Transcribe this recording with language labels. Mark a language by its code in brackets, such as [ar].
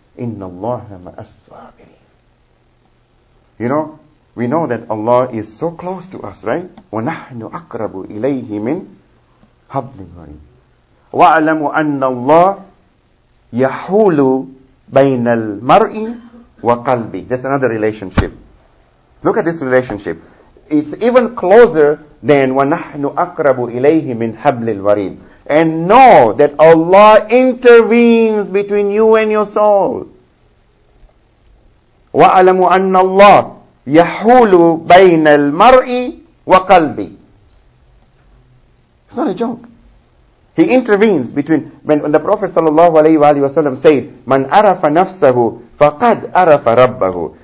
[ar] Inna Allaha ma'as-sabirin. [en] You know, we know that Allah is so close to us, right? [ar] وَنَحْنُ أَقْرَبُ إِلَيْهِ مِنْ حَبْلِ الْوَرِيدِ وَأَعْلَمُ أَنَّ اللَّهَ يَحُولُ بَيْنَ الْمَرْءِ وَقَلْبِ. [en] That's another relationship. Look at this relationship. It's even closer than [ar] وَنَحْنُ أَقْرَبُ إِلَيْهِ مِنْ حَبْلِ الْوَرِيدِ. [en] And know that Allah intervenes between you and your soul. [ar] وَأَلَمُ أَنَّ اللَّهِ يَحُولُ بَيْنَ الْمَرْءِ وَقَلْبِ. [en] It's not a joke. He intervenes between, when the Prophet sallallahu alayhi wa alayhi wa sallam said, [ar] مَنْ عَرَفَ نَفْسَهُ فَقَدْ عَرَفَ رَبَّهُ.